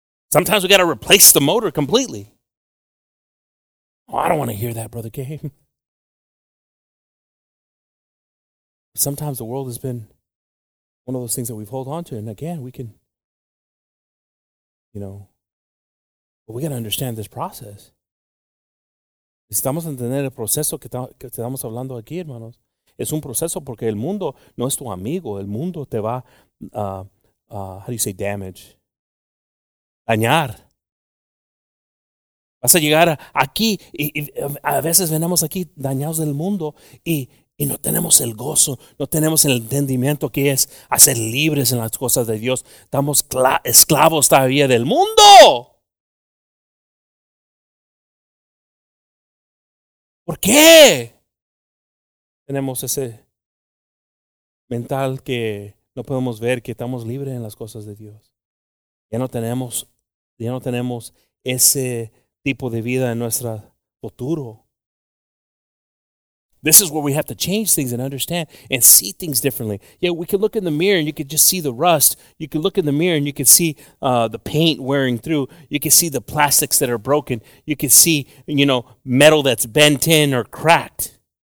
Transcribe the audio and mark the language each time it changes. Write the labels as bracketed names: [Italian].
[English] Sometimes we got to replace the motor completely. Oh, I don't want to hear that, Brother Gabe. Sometimes the world has been one of those things that we've held on to. And again, we can, you know, but we got to understand this process. [Spanish] Estamos entendiendo el proceso que estamos hablando aquí, hermanos. Es un proceso porque el mundo no es tu amigo. El mundo te va, [English] how do you say damage? [Spanish] Dañar. Vas a llegar aquí y a veces venimos aquí dañados del mundo y no tenemos el gozo, no tenemos el entendimiento que es hacer libres en las cosas de Dios. Estamos esclavos todavía del mundo. ¿Por qué? Tenemos ese mental que no podemos ver que estamos libres en las cosas de Dios. Ya no tenemos ese tipo de vida en nuestro futuro. [English] This is where we have to change things and understand and see things differently. Yeah, we can look in the mirror and you can just see the rust. You can look in the mirror and you can see the paint wearing through. You can see the plastics that are broken. You can see, you know, metal that's bent in or cracked.